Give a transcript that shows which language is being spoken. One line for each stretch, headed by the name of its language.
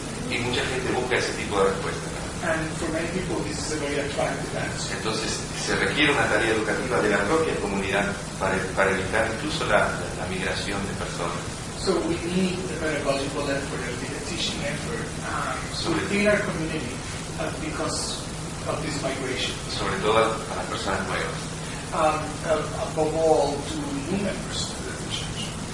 Spanish: Y mucha gente busca ese tipo de respuestas.
English: And for many people, this is a very attractive answer.
Spanish: Entonces, se requiere una tarea educativa de la propia comunidad para evitar incluso la migración de personas.
English: So we need a pedagogical effort, a teaching effort, within our community, because of this migration.
Spanish: Sobre todo para las personas nuevas.
English: Above all, to new members of the church.